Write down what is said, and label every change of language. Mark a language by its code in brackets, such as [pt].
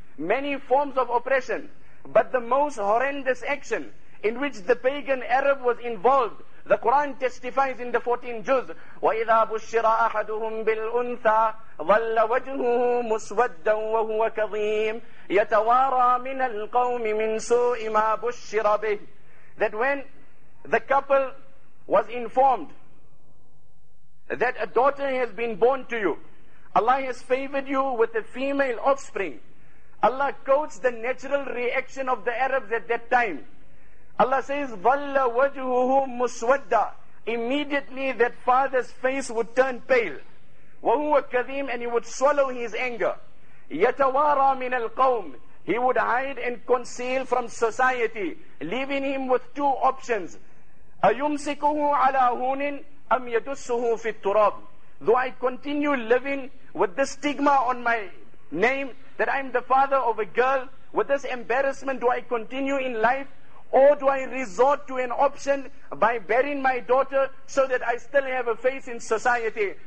[en] Many forms of oppression. But the most horrendous action in which the pagan Arab was involved, the Quran testifies in the 14 juz, [ar] وَإِذَا بُشِّرَ أَحَدُهُمْ بِالْأُنْثَى ظَلَّ وَجْهُهُ مُسْوَدًّا وَهُوَ كَظِيمٌ يَتَوَارَى مِنَ الْقَوْمِ مِنْ سُوءِ مَا بُشِّرَ بِهِ. [en] That when the couple was informed that a daughter has been born to you, Allah has favored you with a female offspring, Allah quotes the natural reaction of the Arabs at that time. Allah says, [ar] ظَلَّ وَجْهُهُ مُسْوَدًّا. [en] Immediately that father's face would turn pale. [ar] وَهُوَ كَذِيمٌ. [en] And he would swallow his anger. [ar] يَتَوَارَى مِنَ الْقَوْمِ. [en] He would hide and conceal from society, leaving him with two options. [ar] أَيُمْسِكُهُ عَلَى هُونٍ أَمْ يَدُسُّهُ فِي التُّرَابِ. [en] Do I continue living with this stigma on my name that I'm the father of a girl? With this embarrassment, do I continue in life? Or do I resort to an option by burying my daughter so that I still have a face in society?